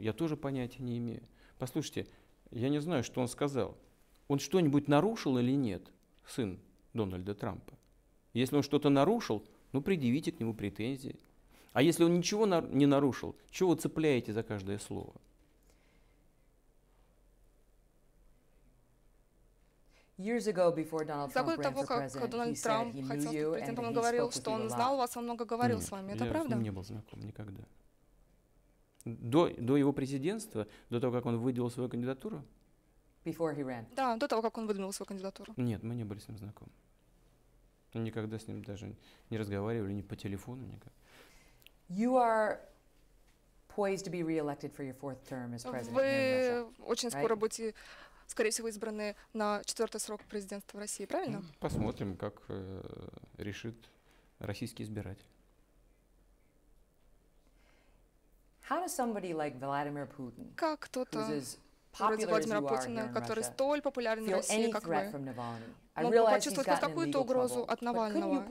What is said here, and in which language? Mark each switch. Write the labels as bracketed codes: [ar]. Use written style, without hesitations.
[ru] Я тоже понятия не имею. Послушайте, я не знаю, что он сказал. Он что-нибудь нарушил или нет, сын Дональда Трампа? Если он что-то нарушил, ну предъявите к нему претензии. А если он ничего не нарушил, чего вы цепляете за каждое слово? [en] Years ago, before Donald Trump ran for president, he said he knew you and he spoke with you a lot. [ru] Он много говорил с вами, это правда? Я с ним не был знаком никогда. До его президентства, до того, как он выдвинул свою кандидатуру? [en] Before he ran. [ru] Да, до того, как он выдвинул свою кандидатуру. Нет, мы не были с ним знакомы. Никогда с ним даже не разговаривали, ни по телефону, никак. [en] You are poised to be re-elected for your fourth term as president. [ru] Вы очень скоро будете, скорее всего, избраны на четвертый срок президентства в России, правильно? Ну, посмотрим, как решит российский избиратель. [en] How does somebody like Vladimir Putin, [ru] как кто-то вроде Владимира Путина, который столь популярен в России, как вы, мог почувствовать хоть какую-то угрозу от Навального?